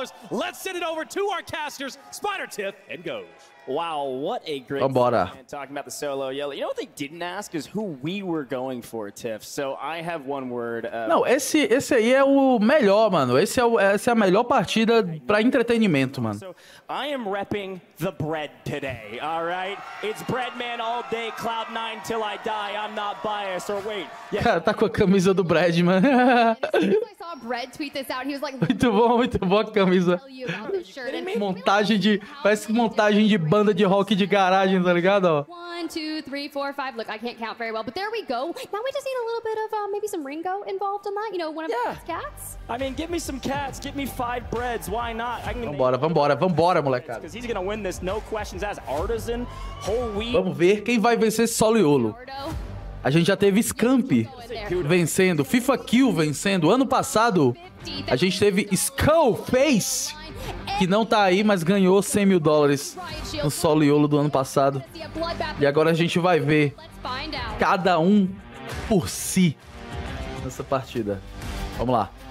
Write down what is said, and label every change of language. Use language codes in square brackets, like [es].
[en] Let's send it over to our casters, Spider Tip and Goes. Wow, what a great Vambora. Talking about the solo YOLO. You know what they didn't ask is who we were going for, Tiff. So I have one word. [pt] Não, esse aí é o melhor, mano. Essa é a melhor partida para entretenimento, mano. [en] So I am repping the bread today. All right? It's bread man all day, cloud nine till I die. I'm not biased or wait. Yeah. [pt] Cara, tá com a camisa do Bread, mano. [en] I saw Bread tweet this out. He was like, [pt] muito boa a camisa. Montagem de parece montagem de banda de rock de garagem, tá ligado? [en] 1, 2, 3, 4, 5. Look, I can't count very well, but there we go. Now we just need a little bit of maybe some Ringo involved in that. You know, one of the cats. I mean, give me some cats. Give me 5 breads. Why not? [pt] Vambora, vambora, vambora, molecada. [en] Because he's gonna win this, no questions asked. [pt] Artisan, [en] whole week. [pt] Vamos ver quem vai vencer solo YOLO. A gente já teve Scamp vencendo, FIFA Kill vencendo. Ano passado, a gente teve Skullface, que não tá aí, mas ganhou 100 mil dólares no solo YOLO do ano passado. E agora a gente vai ver cada um por si nessa partida. Vamos lá.